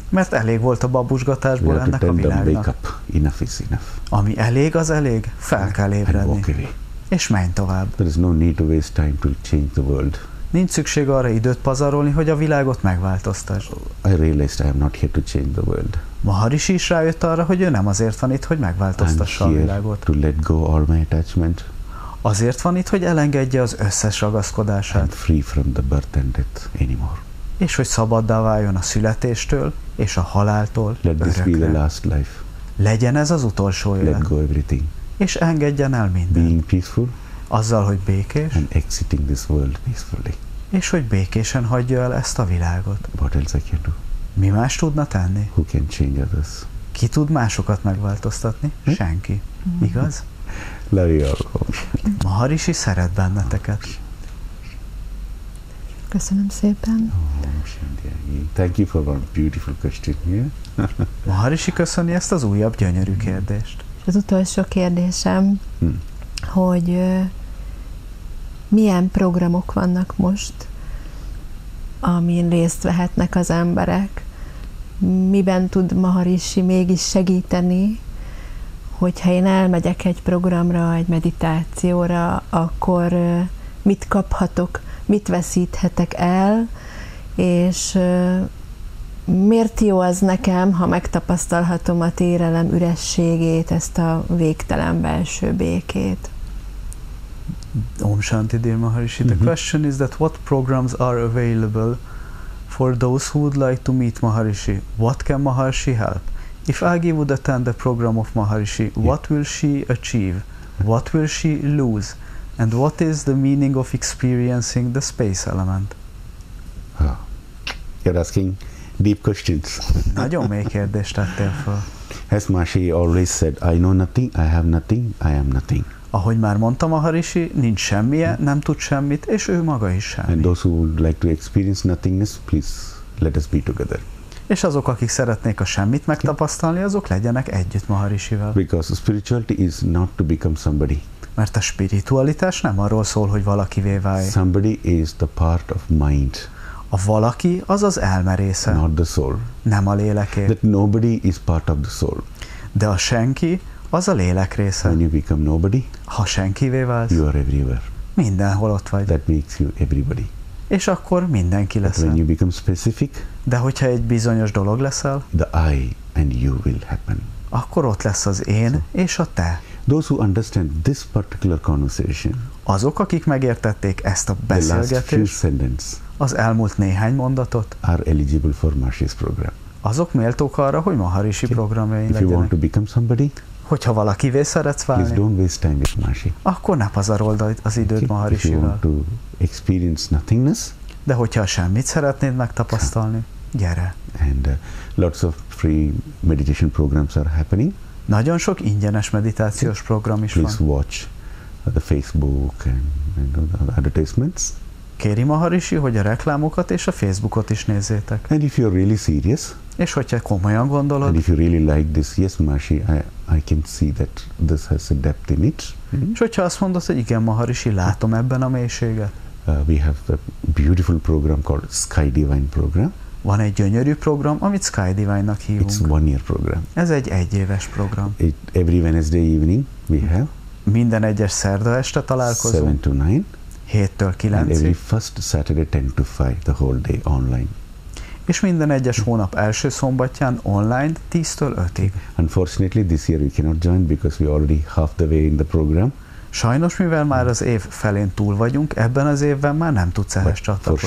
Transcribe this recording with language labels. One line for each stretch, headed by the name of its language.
Hungarian: Mert elég volt a babusgatásból ennek a világnak.
English: Enough is enough.
Hungarian: Ami elég, az elég. Fel kell ébredni. És menj tovább.
English: There is no need to waste time to change the world.
Hungarian: Nincs szükség arra időt pazarolni, hogy a világot megváltoztass.
English: I realized I am not here to change the world.
Hungarian: Maharishi is rájött arra, hogy ő nem azért van itt, hogy megváltoztassa a világot.
English: To let go all my attachment.
Hungarian: Azért van itt, hogy elengedje az összes ragaszkodását.
English: I'm free from the birth and death anymore.
Hungarian: És hogy szabaddá váljon a születéstől és a haláltól.
English: Let this
Hungarian: örökre.
English: Be the last life.
Hungarian: Legyen ez az utolsó élet.
English: Let go everything.
Hungarian: És engedjen el mindent.
English: Being peaceful.
Hungarian: Azzal, hogy békés.
English: And exiting this world peacefully.
Hungarian: És hogy békésen hagyja el ezt a világot.
English: What else I can do?
Hungarian: Mi más tudna tenni?
English: Who can change others?
Hungarian: Ki tud másokat megváltoztatni? Senki. Igaz?
English: Love you all.
Hungarian: Maharishi szeret benneteket. Köszönöm szépen.
English: Thank you for one beautiful question here.
Hungarian: Maharishi köszöni ezt az újabb gyönyörű kérdést. Az utolsó kérdésem, hogy milyen programok vannak most, amin részt vehetnek az emberek, miben tud Maharishi mégis segíteni, hogyha én elmegyek egy programra, egy meditációra, akkor mit kaphatok, mit veszíthetek el, és miért jó az nekem, ha megtapasztalhatom a térelem ürességét, ezt a végtelen belső békét?
English: Om Shanti, dear Maharishi. The question is that what programs are available for those who would like to meet Maharishi? What can Maharishi help? If Agi would attend the program of Maharishi, what will she achieve? What will she lose? And what is the meaning of experiencing the space element? You're asking deep questions.
Hungarian: Nagyon mély kérdést tettél fel.
English: As Maharishi always said, I know nothing, I have nothing, I am nothing.
Hungarian: Ahogy már mondtam, Maharishi, nincs semmije, nem tud semmit, és ő maga is semmi.
English: And those who would like to experience nothingness, please let us be together.
Hungarian: És azok, akik szeretnék a semmit megtapasztalni, azok legyenek együtt Maharishival.
English: Because spirituality is not to become somebody.
Hungarian: Mert a spiritualitás nem arról szól, hogy valakivé válj.
English: Somebody is the part of mind.
Hungarian: A valaki az az elme része.
English: Not the soul.
Hungarian: Nem a léleké.
English: That nobody is part of the soul.
Hungarian: De a senki az a lélek része.
English: When you become nobody,
Hungarian: ha senkivé válsz,
English: you are everywhere.
Hungarian: Mindenhol ott vagy.
English: That makes you everybody.
Hungarian: És akkor mindenki leszel.
English: But when you become specific,
Hungarian: de hogyha egy bizonyos dolog leszel,
English: the I and you will happen.
Hungarian: Akkor ott lesz az én és a te.
English: Those who understand this particular conversation,
Hungarian: azok, akik megértették ezt a beszélgetést,
English: the last few sentences,
Hungarian: az elmúlt néhány mondatot,
English: are eligible for Maharishi's program.
Hungarian: Azok méltók arra, hogy Maharishi programjain legyenek.
English: If you want to become somebody,
Hungarian: Hogyha valakivé szeretsz válni,
English: please don't waste time with Maharshi.
Hungarian: Akkor ne pazarold az időt Maharishival.
English: If you want to experience nothingness,
Hungarian: de hogyha semmit szeretnéd megtapasztalni, gyere.
English: And lots of free meditation programs are happening.
Hungarian: Nagyon sok ingyenes meditációs program is
English: please
Hungarian: van.
English: Please watch the Facebook and the advertisements.
Hungarian: Kéri Maharishi, hogy a reklámokat és a Facebookot is nézzétek.
English: And if you're really serious,
Hungarian: és hogyha komolyan gondolod,
English: and if you really like this, yes, Maharishi, I can see that this has a depth in it.
Hungarian: És hogyha azt mondod, hogy igen, Maharishi, látom ebben a mélységet.
English: We have a beautiful program called Sky Divine Program.
Hungarian: Van egy gyönyörű program, amit Sky Divine-nak hívunk.
English: It's one-year program.
Hungarian: Ez egy egyéves program.
English: It, every Wednesday evening we have.
Hungarian: Minden egyes szerda este találkozunk.
English: 7 to 9.
Hungarian: 7-től 9-ig.
English: And every first Saturday 10 to 5 the whole day online.
Hungarian: És minden egyes hónap első szombatján online 10-től 5-ig.
English: Unfortunately this year we cannot join because we already half the way in the program.
Hungarian: Sajnos, mivel már az év felén túl vagyunk, ebben az évben már nem tudsz ehhez csatlakozni.